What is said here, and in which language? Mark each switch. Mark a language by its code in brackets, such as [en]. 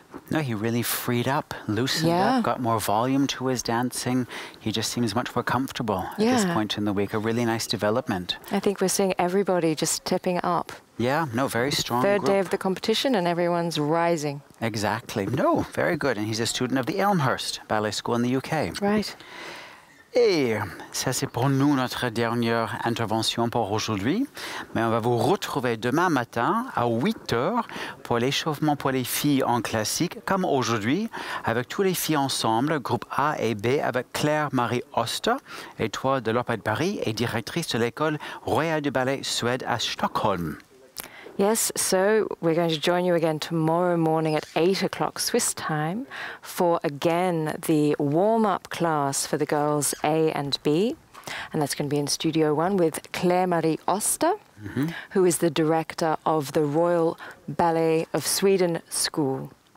[en] No, he really freed up, loosened up, got more volume to his dancing. He just seems much more comfortable at this point in the week. A really nice development. I think we're seeing everybody just stepping up. Yeah, no, very strong Third group. Day of the competition and everyone's rising. Exactly. No, very good. And he's a student of the Elmhurst Ballet School in the UK. Right. [fr] Et ça, c'est pour nous notre dernière intervention pour aujourd'hui. Mais on va vous retrouver demain matin à 8h pour l'échauffement pour les filles en classique, comme aujourd'hui, avec tous les filles ensemble, groupe A et B, avec Claire-Marie Oster, étoile de l'Opéra de Paris et directrice de l'École Royale du Ballet Suède à Stockholm. [en] Yes, so we're going to join you again tomorrow morning at 8 o'clock Swiss time for again the warm-up class for the girls A and B. And that's going to be in Studio One with Claire-Marie Oster, who is the director of the Royal Ballet of Sweden School.